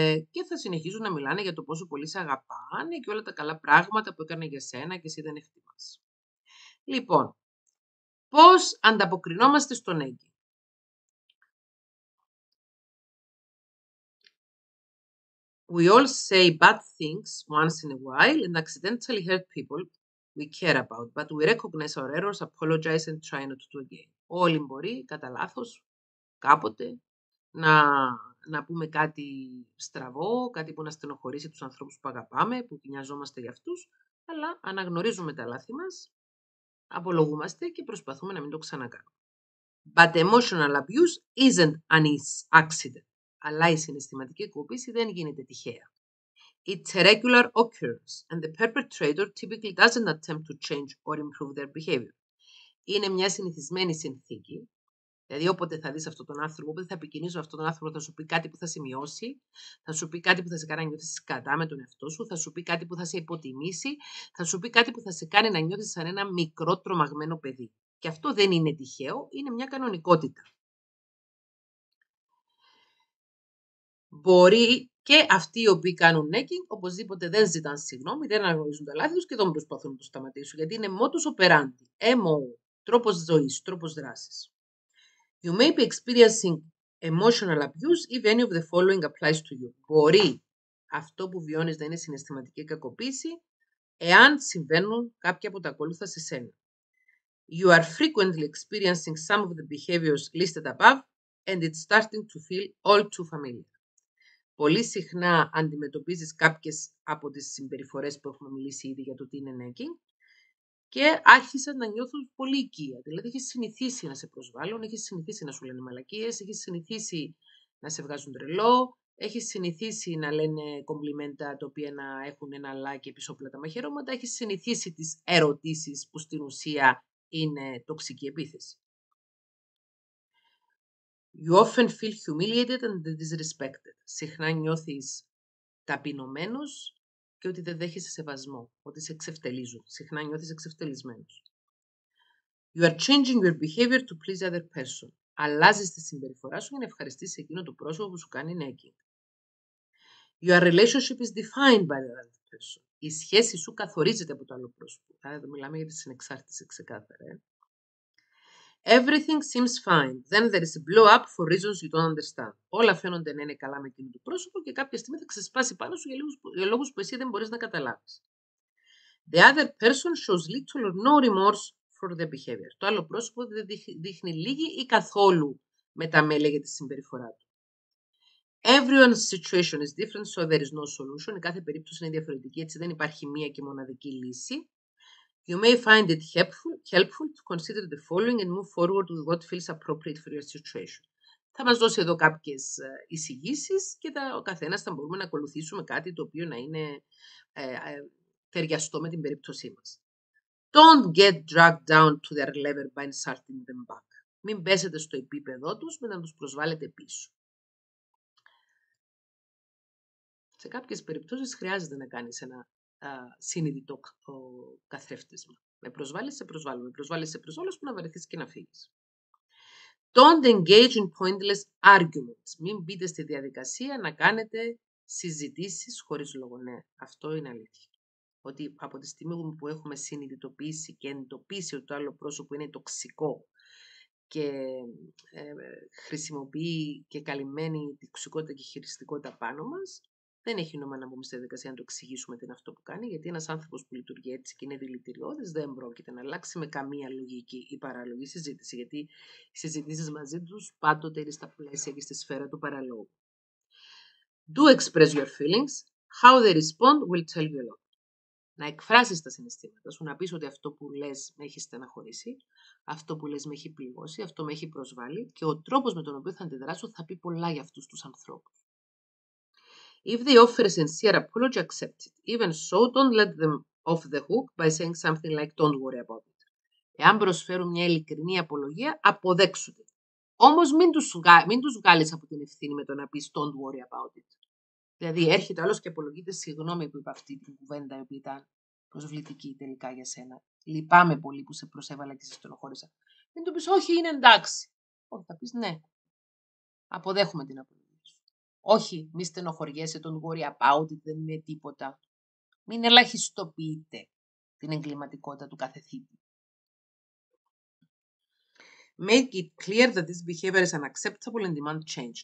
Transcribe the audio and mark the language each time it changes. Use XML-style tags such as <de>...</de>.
<el>Και θα συνεχίζουν να μιλάνε για το πόσο πολύ σε αγαπάνε και όλα τα καλά πράγματα που έκανε για σένα και εσύ δεν εκτιμάς. Λοιπόν, πώς ανταποκρινόμαστε στον έγκυ.</el> <en>We all say bad things once in a while and accidentally hurt people we care about, but we recognize our errors, apologize and try not to do again.</en> <el>Όλοι μπορεί, κατά λάθος, κάποτε, να πούμε κάτι στραβό, κάτι που να στενοχωρήσει τους ανθρώπους που αγαπάμε, που νοιαζόμαστε για αυτούς, αλλά αναγνωρίζουμε τα λάθη μας, απολογούμαστε και προσπαθούμε να μην το ξανακάνουμε.</el> <en>But emotional abuse isn't an accident.</en> <el>Αλλά η συναισθηματική κακοποίηση δεν γίνεται τυχαία.</el> <en>It's a regular occurrence and the perpetrator typically doesn't attempt to change or improve their behavior.</en> <el>Είναι μια συνηθισμένη συνθήκη. Δηλαδή, όποτε θα δεις αυτόν τον άνθρωπο, όποτε θα επικοινωνήσω αυτόν τον άνθρωπο, θα σου πει κάτι που θα σημειώσει, θα σου πει κάτι που θα σε κάνει να νιώθεις κατά με τον εαυτό σου, θα σου πει κάτι που θα σε υποτιμήσει, θα σου πει κάτι που θα σε κάνει να νιώθεις σαν ένα μικρό τρομαγμένο παιδί. Και αυτό δεν είναι τυχαίο, είναι μια κανονικότητα. Μπορεί και αυτοί οι οποίοι κάνουν νέκινγκ, οπωσδήποτε δεν ζητάν συγγνώμη, δεν αναγνωρίζουν τα λάθη τους και δεν προσπαθούν να το σταματήσουν, γιατί είναι modus operandi, MO. Τρόπος ζωής, τρόπος δράσης.</el> <en>You may be experiencing emotional abuse if any of the following applies to you.</en> <el>Μπορεί αυτό που βιώνεις να είναι συναισθηματική κακοποίηση, εάν συμβαίνουν κάποια από τα ακόλουθα σε σένα.</el> <en>You are frequently experiencing some of the behaviors listed above and it's starting to feel all too familiar.</en> <el>Πολύ συχνά αντιμετωπίζεις κάποιες από τις συμπεριφορές που έχουμε μιλήσει ήδη για το τι είναι nagging. Και άρχισαν να νιώθουν πολύ οικεία. Δηλαδή, έχεις συνηθίσει να σε προσβάλλουν, έχεις συνηθίσει να σου λένε μαλακίες, έχεις συνηθίσει να σε βγάζουν τρελό, έχεις συνηθίσει να λένε κομπλιμέντα τα οποία να έχουν ένα λάκι πισόπλατα μαχαιρώματα, έχεις συνηθίσει τις ερωτήσεις που στην ουσία είναι τοξική επίθεση.</el> <en>You often feel humiliated and disrespected.</en> <el>Συχνά νιώθεις ταπεινωμένος και ότι δεν δέχεσαι σεβασμό, ότι σε εξευτελίζουν. Συχνά νιώθεις εξευτελισμένος.</el> <en>You are changing your behavior to please other person.</en> <el>Αλλάζεις τη συμπεριφορά σου για να ευχαριστήσεις εκείνο το πρόσωπο που σου κάνει νέκινγκ.</el> <en>Your relationship is defined by the other person.</en> <el>Η σχέση σου καθορίζεται από το άλλο πρόσωπο. Εδώ μιλάμε για τη συνεξάρτηση ξεκάθαρα.</el> <en>Everything seems fine. Then there is a blow up for reasons you don't understand.</en> <el>Όλα φαίνονται να είναι καλά με εκείνο το πρόσωπο και κάποια στιγμή θα ξεσπάσει πάνω σου για λόγους που εσύ δεν μπορείς να καταλάβεις.</el> <en>The other person shows little or no remorse for their behavior.</en> <el>Το άλλο πρόσωπο δεν δείχνει λίγη ή καθόλου μεταμέλεια για τη συμπεριφορά του.</el> <en>Everyone's situation is different, so there is no solution.</en> <el>Η κάθε περίπτωση είναι διαφορετική, έτσι δεν υπάρχει μία και μοναδική λύση.</el> <en>You may find it helpful to consider the following and move forward with what feels appropriate for your situation.</en> <el>Θα μας δώσει εδώ κάποιες εισηγήσεις και ο καθένας θα μπορούμε να ακολουθήσουμε κάτι το οποίο να είναι ταιριαστό με την περίπτωσή μας.</el> <en>Don't get dragged down to their level by inserting them back.</en> <el>Μην πέσετε στο επίπεδό τους με να τους προσβάλλετε πίσω. Σε κάποιες περιπτώσεις χρειάζεται να κάνεις ένα συνειδητό καθρέφτισμα. Με προσβάλλεις, σε προσβάλλω. Με προσβάλλεις, σε προσβάλλω, ώστε να βαρεθείς και να φύγεις.</el> <en>Don't engage in pointless arguments.</en> <el>Μην μπείτε στη διαδικασία να κάνετε συζητήσεις χωρίς λόγο. Ναι, αυτό είναι αλήθεια. Ότι από τη στιγμή που έχουμε συνειδητοποιήσει και εντοπίσει ότι το άλλο πρόσωπο είναι τοξικό και χρησιμοποιεί και καλυμμένη τοξικότητα και χειριστικότητα πάνω μας, δεν έχει νόημα να μπούμε στη διαδικασία να το εξηγήσουμε τι είναι αυτό που κάνει, γιατί ένας άνθρωπος που λειτουργεί έτσι και είναι δηλητηριώδης δεν πρόκειται να αλλάξει με καμία λογική ή παραλογή συζήτηση, γιατί οι συζητήσεις μαζί τους πάντοτε είναι στα πλαίσια και στη σφαίρα του παραλόγου.</el> <en>Do express your feelings. How they respond will tell you a lot.</en> <el>Να εκφράσεις τα συναισθήματα σου, να πεις ότι αυτό που λες με έχει στεναχωρήσει, αυτό που λες με έχει πληγώσει, αυτό με έχει προσβάλει και ο τρόπος με τον οποίο θα αντιδράσω θα πει πολλά για αυτούς τους ανθρώπους.</el> <en>If they offer a sincere apology, accept it. Even so, don't let them off the hook by saying something like, don't worry about it.</en> <el>Εάν προσφέρουν μια ειλικρινή απολογία, αποδέξου την. Όμως μην τους βγάλεις από την ευθύνη με το να πεις,</el> <en>don't worry about it.</en> <el>Δηλαδή, έρχεται άλλος και απολογείται, συγγνώμη που είπα αυτή την κουβέντα, η οποία ήταν προσβλητική τελικά για σένα. Λυπάμαι πολύ που σε προσέβαλα και σε στενοχώρησα. Μην του πεις, όχι, είναι εντάξει. Όχι, θα πεις, ναι. Αποδέχομαι την απολογία. Όχι, μη στενοχωριέσαι, τον</el> <en>worry about it,</en> <el>δεν είναι τίποτα. Μην ελαχιστοποιείτε την εγκληματικότητα του καθεθήτη.</el> <en>Make it clear that this behavior is unacceptable and demand change.</en>